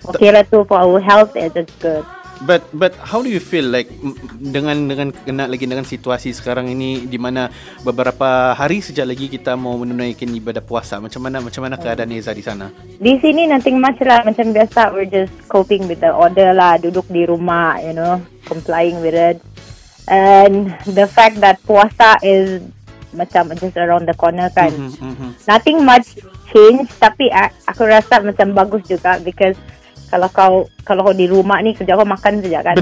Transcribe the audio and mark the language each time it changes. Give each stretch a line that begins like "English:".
Malay: Okay lah tu,
English: for our health it is good. But how do you feel like
Malay: dengan kena lagi dengan situasi sekarang ini di mana beberapa hari sejak lagi kita mau menunaikan ibadah puasa, macam mana keadaan Eyza di sana? Di sini
English: nothing much lah,
Malay: macam biasa,
English: we're just coping with the order lah,
Malay: duduk di rumah,
English: you know, complying with it. And the fact that puasa is macam just around the corner kan. Nothing much change,
Malay: tapi aku rasa macam bagus juga because Kalau di rumah ni, kerja kau makan saja kan.